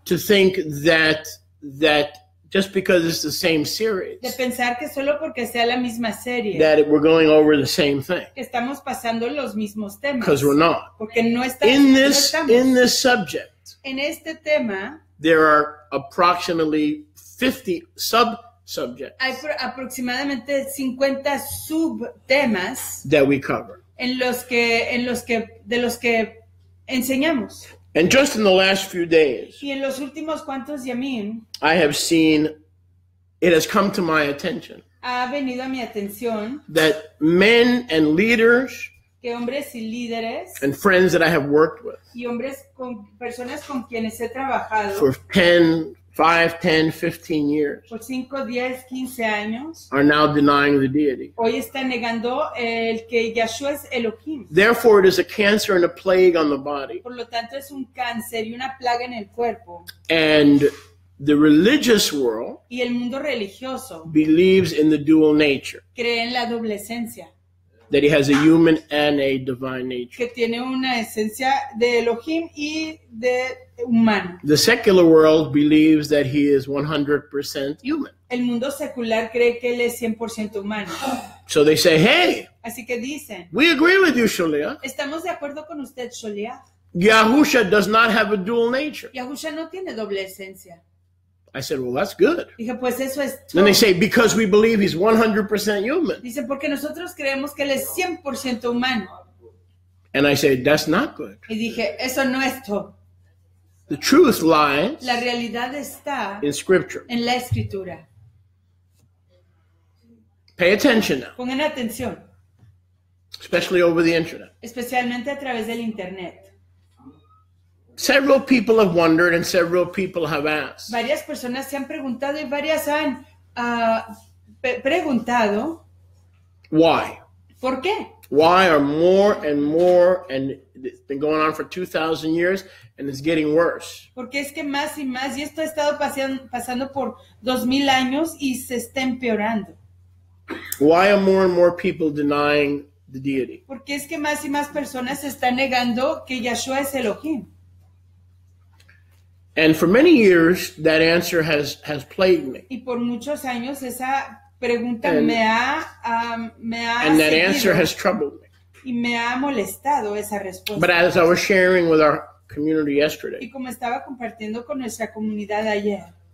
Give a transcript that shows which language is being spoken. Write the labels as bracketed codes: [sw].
[en] To think that just because it's the same series. [es] De pensar que solo porque sea la misma serie. [en] That we're going over the same thing. [es] Estamos pasando los mismos temas. [en] Because we're not. [es] Porque no estamos. [en] In this subject. [es] En este tema, [en] there are approximately 50 sub-subjects. [es] Hay aproximadamente 50 sub-temas [en] that we cover. [es] De los que enseñamos. [en] And just in the last few days, [es] y en los últimos cuantos yamin, [en] I have seen, it has come to my attention, [es] ha venido a mi atención, [en] that men and leaders [es] que hombres y líderes, [en] and friends that I have worked with [es] y hombres con personas con quienes he trabajado, [en] for 10, 5, 10, 15 years. [es] Por 5, 10, 15 años. [en] Are now denying the deity. [es] Hoy está negando el que Yahshua es Elohim. [en] Therefore, it is a cancer and a plague on the body. [es] Por lo tanto, es un cáncer y una plaga en el cuerpo. [en] And the religious world. [es] Y el mundo religioso. [en] Believes in the dual nature. [es] Cree en la doble esencia. [en] That he has a human and a divine nature. [es] Que tiene una esencia de Elohim y de humano. [en] The secular world believes that he is 100% human. [es] El mundo secular cree que él es 100% humano. [en] So they say, hey. [es] Así que dicen. [en] We agree with you, Sholiah. [es] Estamos de acuerdo con usted, Sholiah. [en] Yahusha does not have a dual nature. [es] Yahusha no tiene doble esencia. [en] I said, well, that's good. [es] Dije, pues eso es [en] todo. Then they say, because we believe he's 100% human. [es] Dice, porque nosotros creemos que él es 100% humano. [en] And I said, that's not good. [es] Y dije, eso no es todo. [en] The truth lies [es] la realidad está [en] in scripture. [es] En la escritura. [en] Pay attention now. [es] Pongan atención. [en] Especially over the internet. [es] Especialmente a través del internet. [en] Several people have wondered and several people have asked. [es] Varias personas se han preguntado y varias han preguntado. [en] Why? [es] ¿Por qué? [en] Why are more and more, and it's been going on for 2,000 years, and it's getting worse. [es] Porque es que más y más, y esto ha estado pasando por 2,000 años y se está empeorando. [en] Why are more and more people denying the deity? [es] Porque es que más y más personas se están negando que Yahshua es Elohim. [en] And for many years, that answer has plagued me. [es] Y por muchos años esa pregunta me ha [en] And [es] seguido. [en] That answer has troubled me. [es] Y me ha molestado esa respuesta. [en] But as I was sharing with our community yesterday, [es] y como estaba compartiendo con nuestra comunidad ayer,